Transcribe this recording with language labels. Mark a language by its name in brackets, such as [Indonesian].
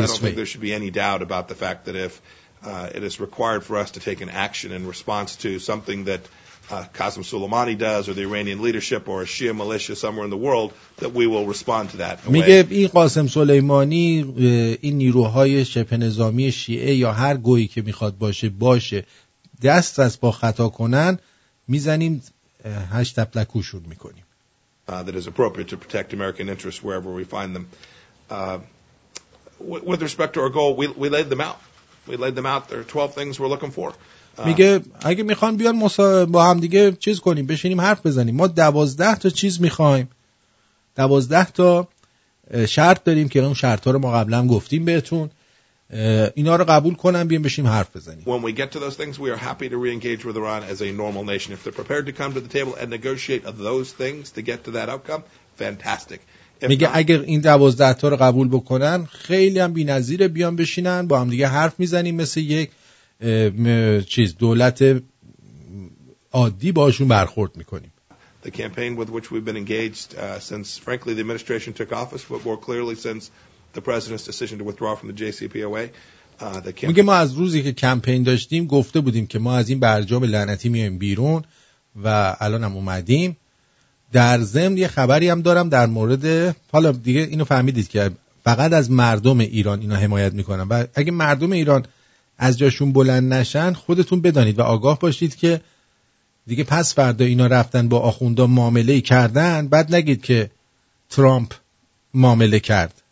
[English] way. I don't think there should be any doubt about the fact that if it is required for us to take an action in response to something that Qasem Soleimani does or the Iranian leadership or a Shia militia somewhere in the world, that we will respond to that. [Persian] میگه این قاسم سلیمانی این نیروهای شبه نظامی شیعه یا هر گویی که میخواد باشه باشه دست از پا خطا کنن میزنیم هشت تپلکوشون میکنیم. [English] That is appropriate to protect American interests wherever we find them. With respect to our goal, we laid them out. We laid them out. There are 12 things we're looking for. [Persian] میگه اگه میخوان بیان با هم دیگه چیز کنیم، بشینیم حرف بزنیم. ما 12 تا چیز میخوایم. 12 تا شرط داریم که اون شرط‌ها رو ما قبلا گفتیم بهتون. اینا رو قبول کنن بیان بشینیم حرف بزنیم. [English] When we get to those things, we are happy to re-engage with Iran as a normal nation. If they're prepared to come to the table and negotiate those things to get to that outcome, fantastic. [Persian] میگه اگر این 12 تا رو قبول بکنن خیلی هم بی‌نظیر، بیان بشینن با هم دیگه حرف میزنیم مثل یک چیز دولت عادی باشون برخورد میکنیم. [English] The campaign with which we've been engaged since frankly the administration took office, but more clearly since the president's decision to withdraw from the JCPOA. [Persian] میگه ما از روزی که کمپین داشتیم گفته بودیم که ما از این برجام لعنتی میایم بیرون و الان هم اومدیم. در ضمن یه خبری هم دارم در مورد، حالا دیگه اینو فهمیدید که فقط از مردم ایران اینا حمایت میکنن و اگه مردم ایران از جاشون بلند نشن خودتون بدانید و آگاه باشید که دیگه پس فردا اینا رفتن با آخوندها معامله کردن، بعد نگید که ترامپ معامله کرد.